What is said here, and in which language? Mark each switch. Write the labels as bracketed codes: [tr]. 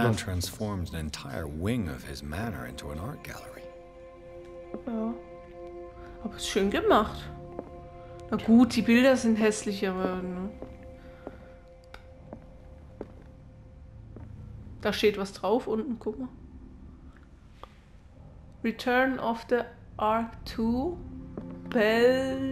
[en] The man transformed an entire wing of his manor into an art gallery. [de] Ja. Aber ist schön gemacht. Na gut, die Bilder sind hässlich, aber... Ne? Da steht was drauf unten, guck mal. [en] Return of the Ark to Belshemesh.